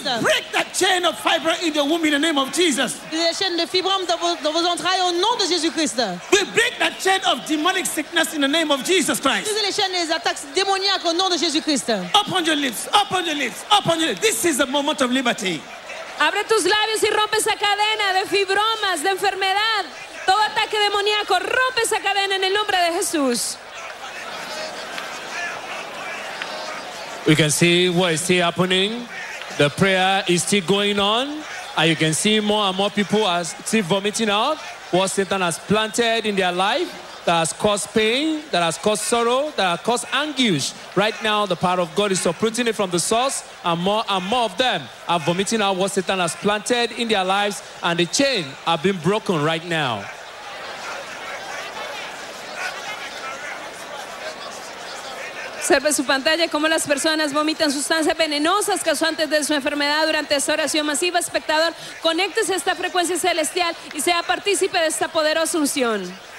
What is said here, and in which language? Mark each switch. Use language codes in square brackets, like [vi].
[en] We break that chain of fibroid in the womb in the name of Jesus. [fr] Les chaînes de fibrome dans vos entrailles au nom de Jésus Christ. [en] We break that chain of demonic sickness in the name of Jesus Christ. [fr] Brisez les chaînes des attaques démoniaques au nom de Jésus Christ. [en] Open your lips. Open your lips. Open your lips. This is a moment of liberty. [es] Abre tus labios y rompe esa cadena de fibromas, de enfermedad. Todo ataque demoníaco, rompe esa cadena en el nombre de Jesús. [en] We can see what is still happening. The prayer is still going on. And you can see more and more people are still vomiting out what Satan has planted in their life that has caused pain, that has caused sorrow, that has caused anguish. Right now, the power of God is uprooting it from the source, and more of them are vomiting out what Satan has planted in their lives, and the chain have been broken right now. [es] Observe su pantalla cómo las personas vomitan sustancias venenosas causantes de su enfermedad durante esta oración masiva. Espectador, conéctese a esta frecuencia celestial y sea partícipe de esta poderosa unción.